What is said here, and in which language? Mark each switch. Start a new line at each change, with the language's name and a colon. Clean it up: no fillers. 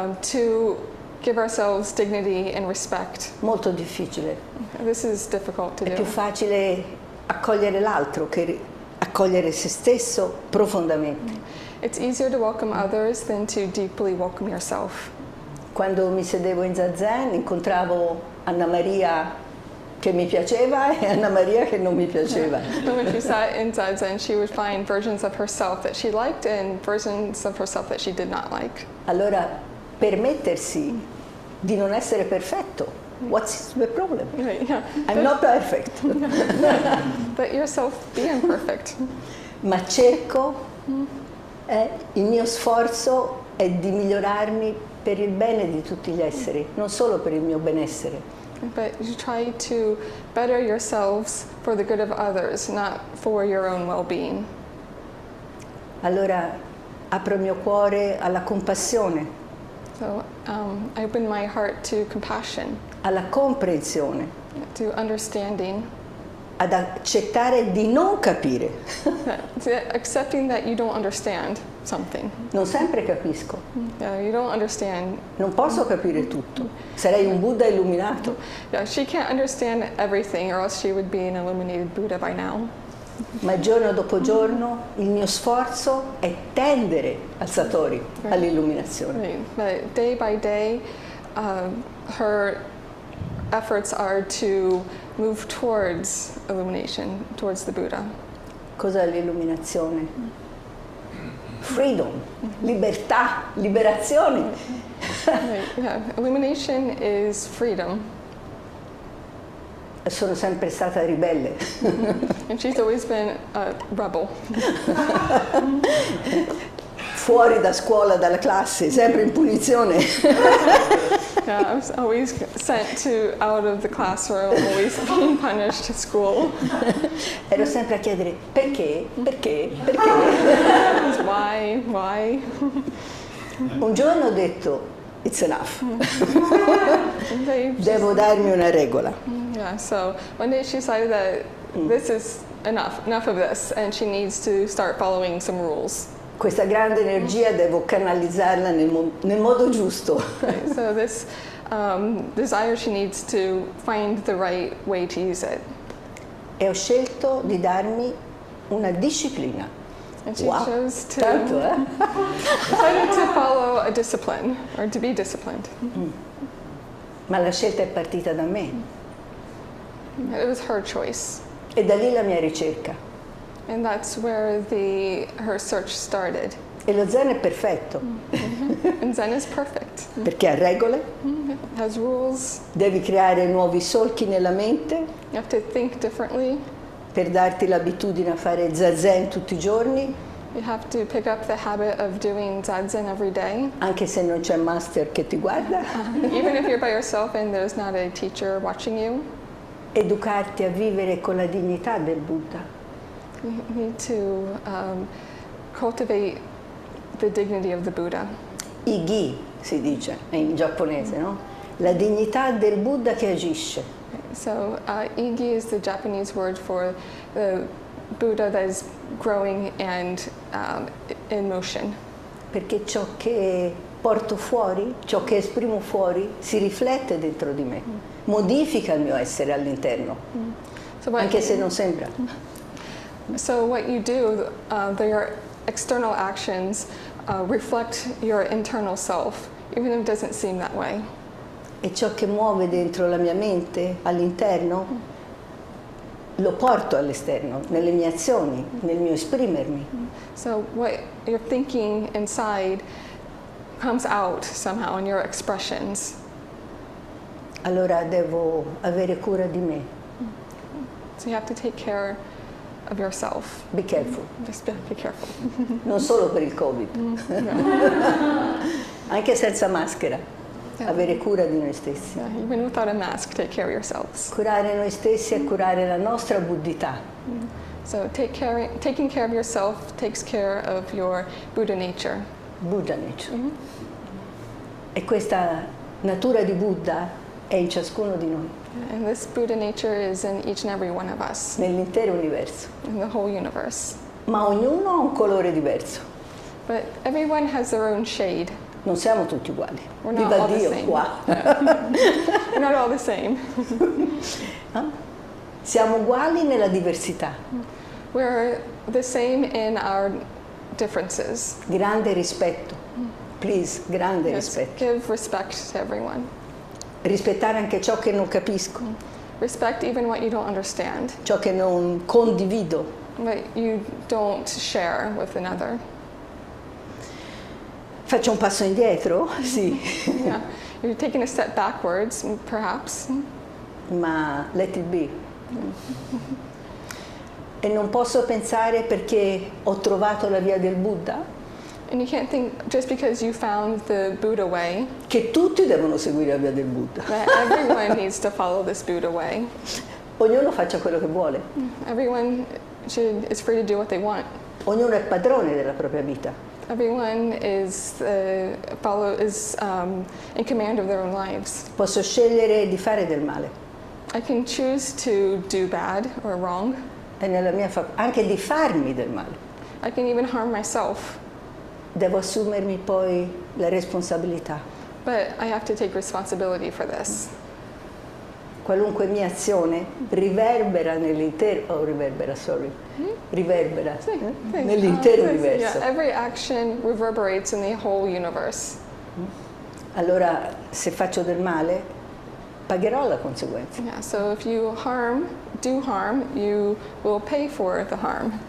English: To give ourselves dignity and respect.
Italian: Molto difficile.
English: This is difficult to
Italian: do. È più facile accogliere l'altro che accogliere se stesso profondamente.
English: It's easier to welcome others than to deeply welcome yourself.
Italian: Quando mi sedevo in zazen, incontravo Anna Maria che mi piaceva e Anna Maria che non mi piaceva.
English: When she sat in zazen, she would find versions of herself that she liked and versions of herself that she did not like.
Italian: Allora, permettersi di non essere perfetto.
English: What's the problem? Yeah. I'm not perfect. But yourself be imperfect.
Italian: Ma cerco, il mio sforzo è di migliorarmi per il bene di tutti gli esseri, non solo per il mio benessere.
English: But you try to better yourselves for the good of others, not for your own well-being.
Italian: Allora apro il mio cuore alla compassione.
English: So I open my heart to compassion.
Italian: Alla comprensione.
English: To understanding.
Italian: Ad accettare di non capire.
English: Accepting that you don't understand something.
Italian: Non sempre capisco.
English: Yeah, you don't understand.
Italian: Non posso capire tutto. Sarei un Buddha illuminato.
English: Yeah, she can't understand everything or else she would be an illuminated Buddha by now.
Italian: Ma giorno dopo giorno il mio sforzo è tendere al Satori, right, all'illuminazione.
English: Right. But day by day her efforts are to move towards illumination, towards the Buddha.
Italian: Cos'è l'illuminazione? Freedom, libertà, liberazione.
English: Right. Yeah. Illumination is freedom.
Italian: Sono sempre stata ribelle.
English: And she's always been a rebel.
Italian: Fuori da scuola, dalla classe, sempre in punizione.
English: Yeah, I was always sent to out of the classroom, always being punished at school.
Italian: Ero sempre a chiedere perché, perché, perché.
English: Why, why?
Italian: Un giorno ho detto,
English: it's enough.
Italian: Devo darmi una regola.
English: Yeah, so one day she decided that this is enough, enough of this, and she needs to start following some rules.
Italian: Questa grande energia devo canalizzarla nel modo giusto.
English: So this desire she needs to find the right way to use it.
Italian: E ho scelto di darmi una disciplina.
English: And she chose to,
Italian: tanto,
English: decided to follow a discipline or to be disciplined.
Italian: Ma la scelta è partita da me.
English: It was her choice.
Italian: E da lì la mia ricerca.
English: And that's where her search started.
Italian: E lo Zen è perfetto.
English: Mm-hmm. And Zen is perfect.
Italian: Perché ha regole.
English: Mm-hmm. It has rules.
Italian: Devi creare nuovi solchi nella mente.
English: You have to think differently.
Italian: Per darti l'abitudine a fare Zazen tutti i giorni.
English: You have to pick up the habit of doing Zazen every day.
Italian: Anche se non c'è master che ti guarda.
English: Even if you're by yourself and there's not a teacher watching you.
Italian: Educarti a vivere con la dignità del Buddha.
English: me to cultivate the dignity of the Buddha.
Italian: Igi, si dice in giapponese, no? La dignità del Buddha che agisce.
English: So, igi is the Japanese word for the Buddha that is growing and in motion.
Italian: Perché ciò che porto fuori, ciò che esprimo fuori, si riflette dentro di me, modifica il mio essere all'interno, so anche se non sembra.
English: So what you do, your external actions reflect your internal self, even if it doesn't seem that way.
Italian: E ciò che muove dentro la mia mente, all'interno, lo porto all'esterno, nelle mie azioni, nel mio esprimermi.
English: So what you're thinking inside comes out somehow in your expressions.
Italian: Allora devo avere cura di me.
English: So you have to take care of yourself. Be careful. Just be careful.
Italian: Non solo per il Covid. No. Anche senza maschera. Yeah. Avere cura di noi stessi.
English: Yeah, even without a mask, take care of yourselves.
Italian: Curare noi stessi è curare la nostra buddhità.
English: So taking care of yourself takes care of your Buddha nature. Buddha nature. Mm-hmm.
Italian: E questa natura di Buddha è in ciascuno di noi.
English: And this Buddha nature is in each and every one of us.
Italian: Nell'intero universo.
English: In the whole universe.
Italian: Ma ognuno ha un colore diverso.
English: But everyone has their own shade.
Italian: Non siamo tutti uguali.
English: We're not, all the, same.
Italian: Qua.
English: No. We're not all the same.
Italian: Siamo uguali nella diversità.
English: We're the same in our differences.
Italian: Grande rispetto. Please, grande rispetto.
English: Give respect to everyone.
Italian: Rispettare anche ciò che non capisco.
English: Respect even what you don't understand.
Italian: Ciò che non condivido.
English: What you don't share with another.
Italian: Faccio un passo indietro, sì.
English: Yeah. You're taking a step backwards, perhaps. Ma let it be.
Italian: E non posso pensare perché ho trovato la via del Buddha.
English: And you can't think just because you found the Buddha way.
Italian: Che tutti devono seguire la via del Buddha.
English: Everyone needs to follow this Buddha way.
Italian: Ognuno faccia quello che vuole.
English: Everyone should, is free to do what they want.
Italian: Ognuno è padrone della propria vita.
English: Everyone is in command of their own lives.
Italian: Posso scegliere di fare del male.
English: I can choose to do bad or wrong.
Italian: E nella mia anche di farmi del male.
English: I can even harm myself.
Italian: Devo assumermi poi la responsabilità.
English: But I have to take responsibility for this.
Italian: Qualunque mia azione riverbera nell'intero universo.
English: Yeah, every action reverberates in the whole universe.
Italian: Allora, se faccio del male, pagherò la conseguenza.
English: Yeah, so if you do harm, you will pay for the harm.